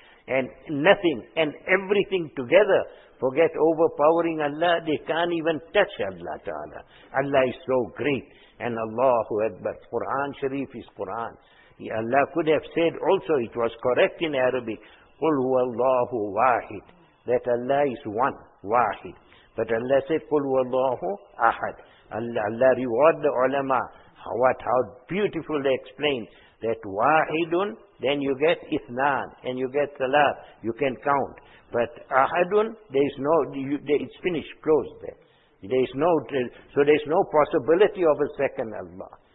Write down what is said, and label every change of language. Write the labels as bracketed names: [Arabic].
[English] And nothing and everything together, forget overpowering Allah, they can't even touch Allah Ta'ala. Allah is so great. And Allahu Akbar. Quran Sharif is Quran. Allah could have said also, it was correct in Arabic, [Arabic] قُلْ هُوَ اللَّهُ وَاحِدٌ. [English] That Allah is one, wahid. But Allah said, [Arabic] قُلْ هُوَ اللَّهُ أَحَدٌ. [English] Allah reward the ulama. How beautiful they explained that wahidun, then you get ithnan, and you get salat, you can count. But ahadun, there is no, it's finished, closed there. There is no, so there is no possibility of a second Allah.